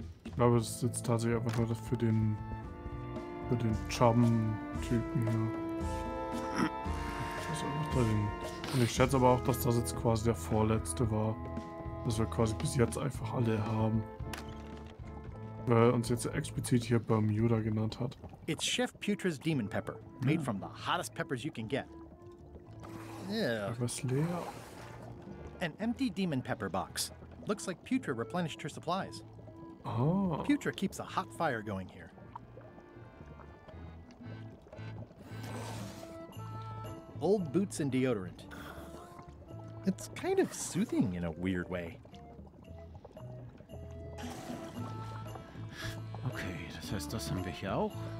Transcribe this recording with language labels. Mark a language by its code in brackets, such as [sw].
[de] Ich glaube, es ist jetzt tatsächlich einfach nur für den Chum-Typen hier. Ich muss einfach da den Und ich schätze aber auch, dass das jetzt quasi der vorletzte war. Dass wir quasi bis jetzt einfach alle haben. Weil uns jetzt explizit hier Bermuda genannt hat. [en] It's Chef Putra's Demon Pepper, made from the hottest peppers you can get. [de] Was leer? [en] An empty Demon Pepper box. Looks like Putra replenished her supplies. Oh. Putra keeps a hot fire going here. Old boots and deodorant. It's kind of soothing in a weird way. [de] Okay, das heißt, das haben wir hier auch.